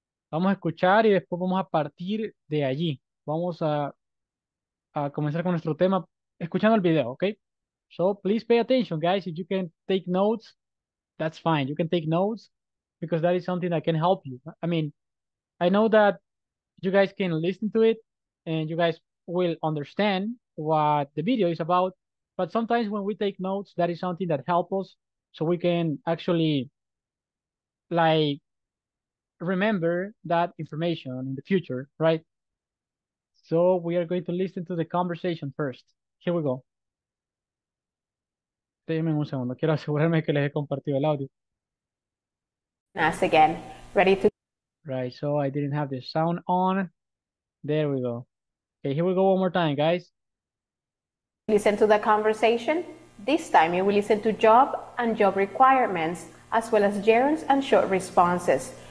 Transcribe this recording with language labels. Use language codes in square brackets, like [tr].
[es] Vamos a escuchar y después vamos a partir de allí. Vamos a comenzar con nuestro tema escuchando el video, ¿ok? [en] So, please pay attention, guys. If you can take notes, that's fine. You can take notes because that is something that can help you. I mean, I know that you guys can listen to it and you guys will understand what the video is about. But sometimes when we take notes, that is something that helps us so we can actually, like, remember that information in the future, right? So we are going to listen to the conversation first. Here we go. [es] Déjenme un segundo. Quiero asegurarme que les he compartido el audio. [en] Nice again. Ready to... Right, so I didn't have the sound on. There we go. Okay, here we go one more time, guys. Listen to the conversation. This time you will listen to job and job requirements as well as gerunds and short responses.